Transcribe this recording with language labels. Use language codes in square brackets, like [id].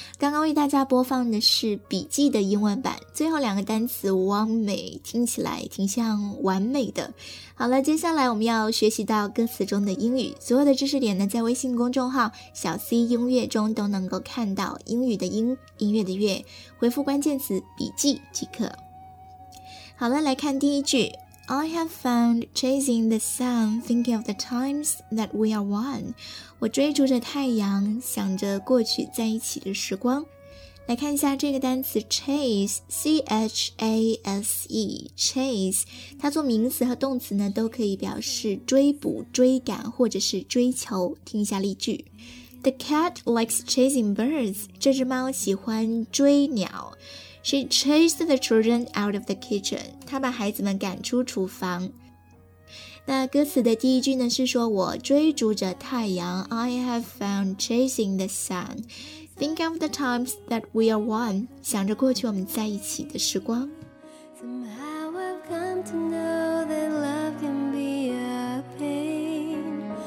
[zh] 刚刚为大家播放的是笔记的英文版，最后两个单词完美听起来挺像完美的。好了，接下来我们要学习到歌词中的英语，所有的知识点呢在微信公众号小 C 音乐中都能够看到，英语的音，音乐的乐，回复关键词笔记即可。好了，来看第一句， [en] I have found chasing the sun, thinking of the times that we are one. [zh] 我追逐着太阳，想着过去在一起的时光。来看一下这个单词 chase, C-H-A-S-E, chase, 它做名词和动词呢都可以表示追捕、追赶或者是追求。听一下例句。 [en] The cat likes chasing birds. [zh] 这只猫喜欢追鸟。 [en] She chased the children out of the kitchen. [zh] 她把孩子们赶出厨房。那歌词的第一句呢是说我追逐着太阳。 [en] I have found chasing the sun. Think of the times that we are one. [zh] 想着过去我们在一起的时光。 [en] Somehow I've come to know that love can be a pain.